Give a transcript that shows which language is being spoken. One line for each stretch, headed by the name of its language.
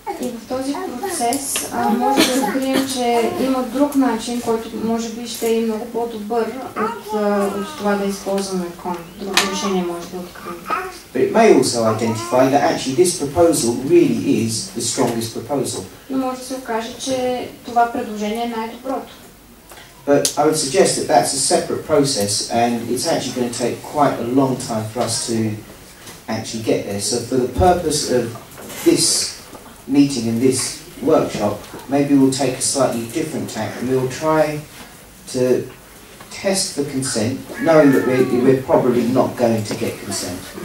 Bulgarian: И в този процес може да открием, че има друг начин, който може би ще е много по-добър от това да използваме кон. Друго решение може да открием.
English: But it may also identify that actually this proposal really is the strongest proposal.
Bulgarian: Но може да се окаже, че това предложение е най-доброто.
English: But I would suggest that that's a separate process and it's actually going to take quite a long time for us to actually get there. So for the purpose of this meeting in this workshop, maybe we'll take a slightly different tack and we'll try to test the consent, knowing that we're probably not going to get consent.